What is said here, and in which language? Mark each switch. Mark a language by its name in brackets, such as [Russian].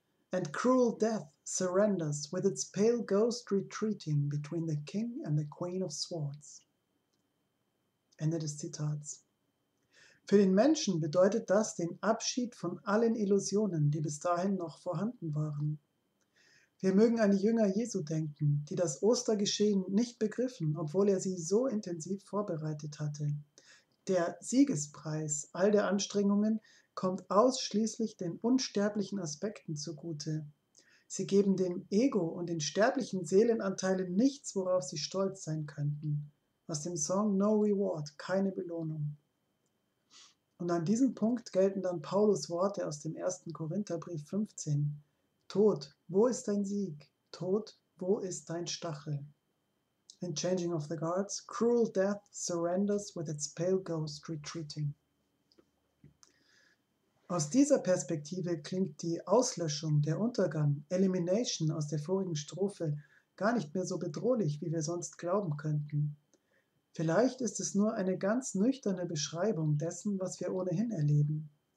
[English] And cruel death surrenders with its pale ghost retreating between the king and the queen of swords. [German] Ende des Zitats. Für den Menschen bedeutet das den Abschied von allen Illusionen, die bis dahin noch vorhanden waren. Wir mögen an die Jünger Jesu denken, die das Ostergeschehen nicht begriffen, obwohl er sie so intensiv vorbereitet hatte. Der Siegespreis all der Anstrengungen kommt ausschließlich den unsterblichen Aspekten zugute. Sie geben dem Ego und den sterblichen Seelenanteilen nichts, worauf sie stolz sein könnten. Aus dem Song »No Reward«, keine Belohnung. Und an diesem Punkt gelten dann Paulus Worte aus dem 1. Korintherbrief 15. Tod, wo ist dein Sieg? Tod, wo ist dein Stachel? [English] In Changing of the Guards, cruel death surrenders with its pale ghost retreating. [German] Aus dieser Perspektive klingt die Auslöschung, der Untergang, Elimination aus der vorigen Strophe gar nicht mehr so bedrohlich, wie wir sonst glauben könnten. Vielleicht ist es nur eine ganz nüchterne Beschreibung dessen, was wir ohnehin erleben.